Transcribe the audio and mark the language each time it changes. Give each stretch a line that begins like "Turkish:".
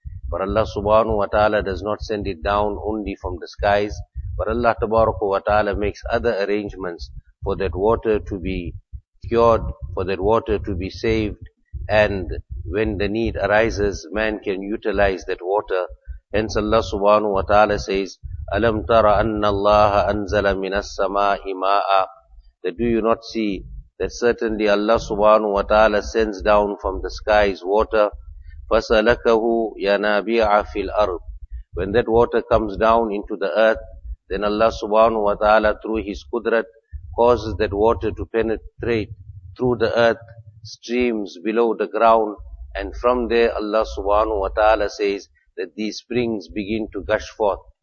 English: But Allah subhanahu wa ta'ala does not send it down only from the skies, but Allah tabaraka wa ta'ala makes other arrangements for that water to be cured, for that water to be saved, and when the need arises, man can utilize that water. Hence Allah subhanahu wa ta'ala says,
Arabic: أَلَمْ تَرَ أَنَّ اللَّهَ أَنزَلَ مِنَ السَّمَاءِ مَاءً.
English: That do you not see that certainly Allah subhanahu wa ta'ala sends down from the skies water,
Arabic: فَسَلَكَهُ يَنَابِعَ فِي الْأَرْضِ.
English: When that water comes down into the earth, then Allah subhanahu wa ta'ala through His qudrat causes that water to penetrate through the earth, streams below the ground, and from there Allah subhanahu wa ta'ala says that these springs begin to gush forth.